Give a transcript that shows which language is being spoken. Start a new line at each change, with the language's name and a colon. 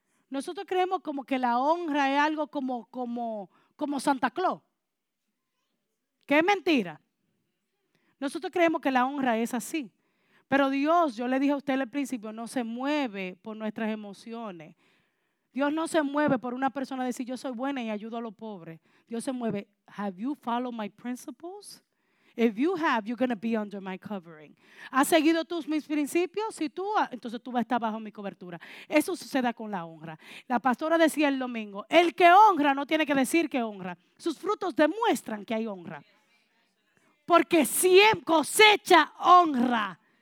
Spanish: Nosotros creemos como que la honra es algo como Santa Claus. ¿Qué es mentira? Nosotros creemos que la honra es así. Pero Dios, yo le dije a usted al principio, no se mueve por nuestras emociones. Dios no se mueve por una persona decir, yo soy buena y ayudo a los pobres. Dios se mueve,
English: have you followed my principles? If you have, you're going to be under my covering.
Spanish: ¿Has seguido tus mis principios? Si tú, entonces tú vas a estar bajo mi cobertura. Eso sucede con la honra. La pastora decía el domingo, el que honra no tiene que decir que honra. Sus frutos demuestran que hay honra. Porque siempre cosecha honra.